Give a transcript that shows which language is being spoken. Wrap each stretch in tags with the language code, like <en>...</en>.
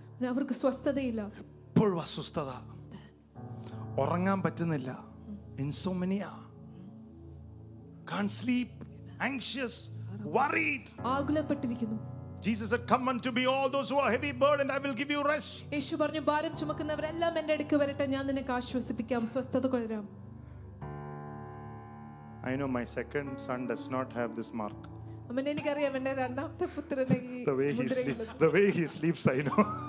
<ml>അവർക്ക് സ്വസ്ഥതയില്ല. എപ്പോഴും അസ്വസ്ഥത. ഉറങ്ങാൻ പറ്റുന്നില്ല. Insomnia.</ml> <en>Can't sleep. Anxious. Worried.</en> <ml>ആകുലപ്പെട്ടിരിക്കുന്നു.</ml> <en>Jesus said, come unto me all those who are heavy burdened, I will give you rest.</en> <ml>യേശു പറഞ്ഞു, ഭാരം ചുമക്കുന്നവരെല്ലാം എൻ്റെ അടുക്കൽ വരട്ടെ, ഞാൻ നിനക്ക് ആശ്വസിപ്പിക്കാം, സ്വസ്ഥത കൊള്ളാം.</ml> <en>I know my second son does not have this mark. The way he sleeps, I know.</en>